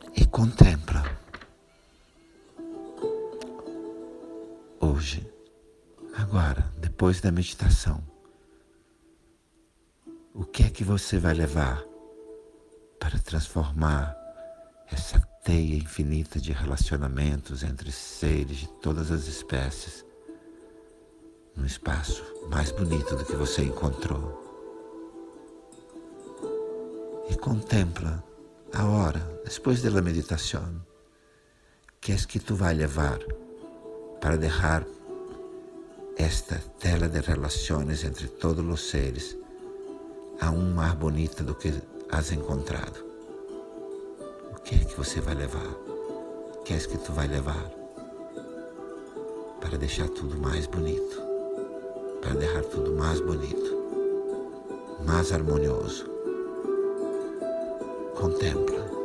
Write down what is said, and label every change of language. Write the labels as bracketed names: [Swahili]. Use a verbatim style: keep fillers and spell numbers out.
[Portuguese] Contempla hoje, agora, depois da meditação, o que é que você vai levar para transformar essa teia infinita de relacionamentos entre seres de todas as espécies num espaço mais bonito do que você encontrou. [Spanish] E contempla ahora, después de la meditación, ¿qué es que tú vas a llevar para dejar esta tela de relaciones entre todos los seres aún más bonita [Portuguese] do que [Spanish] has encontrado? [Portuguese] O que é que você vai levar? O que é que tu vai levar para deixar tudo mais bonito, para deixar tudo mais bonito, mais harmonioso? Contempla.